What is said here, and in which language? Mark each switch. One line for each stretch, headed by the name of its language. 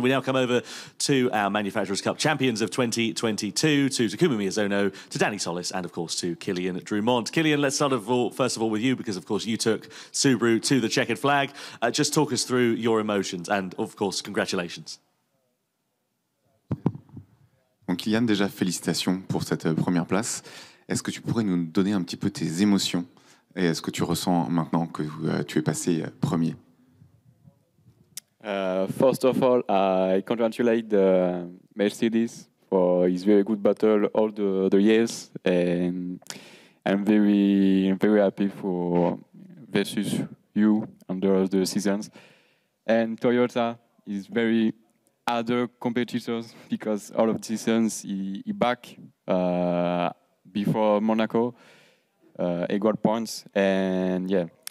English: We now come over to our Manufacturers Cup champions of 2022, to Takuma Miyazono, to Danny Solis, and of course to Killian Drumont. Killian, let's start of all, first of all, with you, because of course you took Subaru to the checkered flag. Just talk us through your emotions, and of course, congratulations.
French: Bon, Kylian, déjà félicitations pour cette première place. Est-ce que tu pourrais nous donner un petit peu tes émotions et ce que tu ressens maintenant que tu es passé premier?
English: First of all, I congratulate Mercedes for his very good battle all the years, and I'm very very happy for versus you under the seasons. And Toyota is very other competitors, because all of the seasons he back before Monaco, equal points, and yeah.